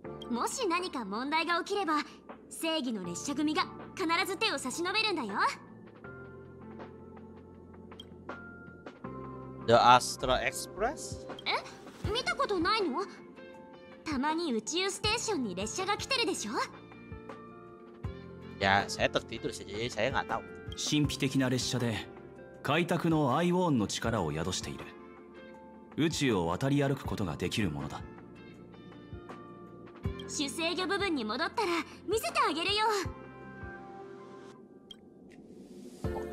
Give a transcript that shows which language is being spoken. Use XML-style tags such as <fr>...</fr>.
<ja>もし何か問題が起きれば、正義の列車組が必ず手を差し伸べるんだよ。</ja> <en>The Astra Express?</en> <ja>え、見たことないの？たまに宇宙ステーションに列車が来てるでしょ？</ja> <id>いや、saya tertidur saja, saya nggak tahu.</id> <ja>神秘的な列車で、開拓のアイウォーンの力を宿している。宇宙を渡り歩くことができるものだ。主制御部分に戻ったら見せてあげるよ。</ja>